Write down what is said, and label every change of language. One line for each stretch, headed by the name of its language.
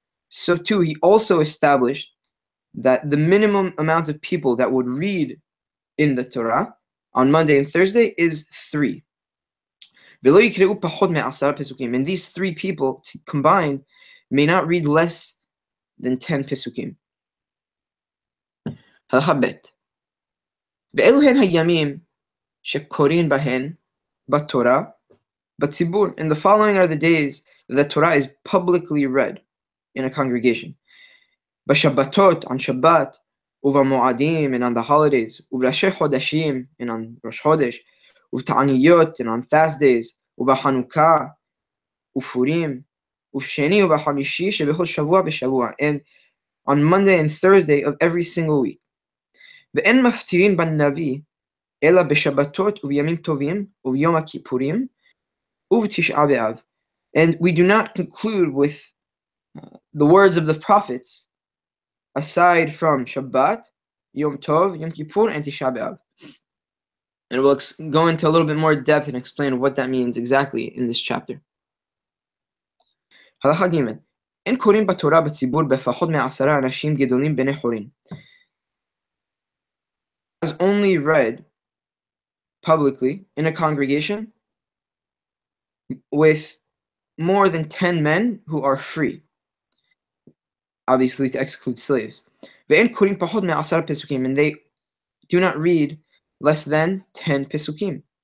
English: So too, he also established that the minimum amount of people that would read in the Torah on Monday and Thursday is three.
Hebrew: V'lo yikre'u pachot me'asara pesukim.
English: And these three people combined may not read less than 10 pesukim. Halacha bet.
Hebrew: ואלו הן הימים שקורין בהן בתורה בציבור.
English: And the following are the days that the Torah is publicly read in a congregation.
Hebrew: בשבתות,
English: on Shabbat,
Hebrew: ובמועדים,
English: and on the holidays,
Hebrew: ובראשי חודשים,
English: and on Rosh Chodesh,
Hebrew: ובתעניות,
English: and on fast days,
Hebrew: ובחנוכה, ופורים, ובשני ובחמישי, שבכל שבוע בשבוע,
English: and on Monday and Thursday of every single week.
Hebrew: ואין מפטירים בנבי, אלא בשבתות ובימים טובים וביום הכיפורים ובתשעה באב.
English: And we do not conclude with the words of the prophets aside from Shabbat, Yom Tov, Yom Kippur, and Tisha B'Av. And we'll go into a little bit more depth and explain what that means exactly in this chapter.
Hebrew: הלכה ג' אין קוראים בתורה בציבור בפחות מעשרה אנשים גדולים בני חורין.
English: Has only read publicly in a congregation with more than 10 men who are free, obviously to exclude slaves. And they do not read less than 10 pesukim.